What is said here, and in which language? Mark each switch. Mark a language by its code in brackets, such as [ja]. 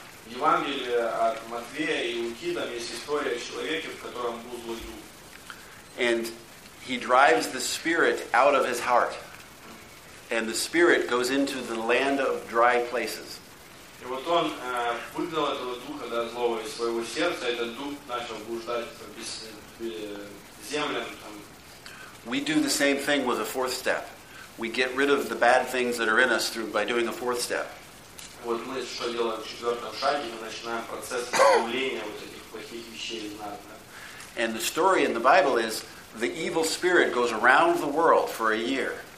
[ru] В Евангелии от Матфея и Луки там есть история о человеке, в котором был злой дух. [en] And he drives the spirit out of his heart. And the spirit goes into the land of dry places. [ru] И вот он выгнал этого духа, да, злого из своего сердца, этот дух начал блуждать по землям там. [en] We do the same thing with a fourth step. We get rid of the bad things that are in us through by doing a fourth step. [ru] Вот мы что делаем в четвертом шаге, мы начинаем процесс исправления вот этих плохих вещей из нас. [en] And the story in the Bible is the evil spirit goes around the world for a year.